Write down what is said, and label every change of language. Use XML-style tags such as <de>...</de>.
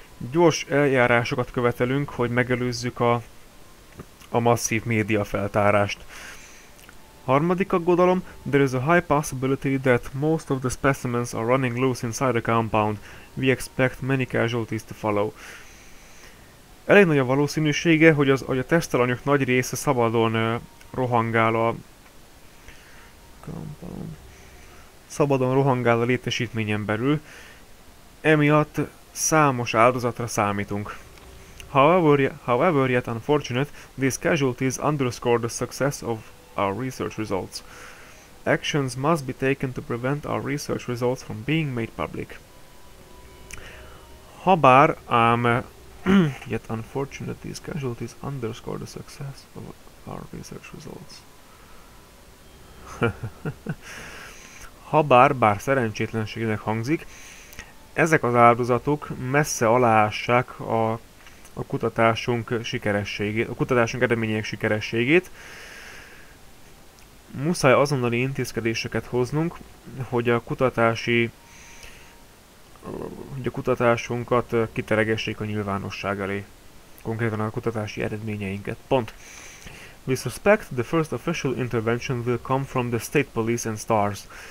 <hu>Gyors eljárásokat követelünk, hogy megelőzzük a masszív média feltárást. Harmadik aggodalom.</hu> <en>There is a high possibility that most of the specimens are running loose inside the compound. We expect many casualties to follow.</en> <hu>Elég nagy a valószínűsége, hogy a tesztelanyag nagy része szabadon rohangál a... Szabadon rohangál a létesítményen belül. Emiatt Számos áldozatra számítunk.</hu> <en>However, yet unfortunate, these casualties underscore the success of our research results. Actions must be taken to prevent our research results from being made public.</en> <hu>Habár ám,</hu> <en>yet unfortunate, these casualties underscore the success of our research results.</en> <hu>Habár, bár szerencsétlenségnek hangzik, ezek az áldozatok messze aláássák a kutatásunk sikerességét, a kutatásunk eredmények sikerességét. Muszáj azonnali intézkedéseket hoznunk, hogy a kutatási hogy a kutatásunkat kiteregessék a nyilvánosság elé. Konkrétan a kutatási eredményeinket. Pont.</hu> <en>We suspect the first official intervention will come from the State Police and STARS.</en>